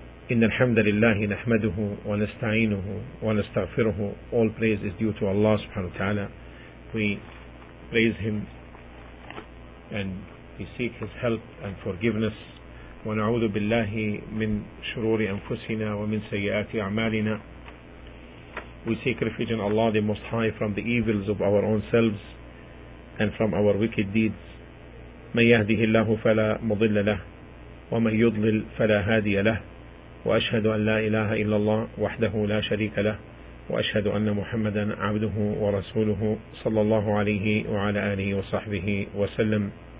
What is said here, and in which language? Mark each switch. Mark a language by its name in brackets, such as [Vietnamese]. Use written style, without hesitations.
[Arabic] إن الحمد لله نحمده ونستعينه ونستغفره. [English] All praise is due to Allah subhanahu wa ta'ala. We praise Him and we seek His help and forgiveness. [Arabic] ونعوذ بالله من شرور أنفسنا ومن سيئات أعمالنا. [English] We seek refuge in Allah the Most High from the evils of our own selves and from our wicked deeds. [Arabic] من يهده الله فلا مضل له ومن يضلل فلا هادي له وأشهد أن لا إله إلا الله وحده لا شريك له وأشهد أن محمدا عبده ورسوله صلى الله عليه وعلى آله وصحبه وسلم.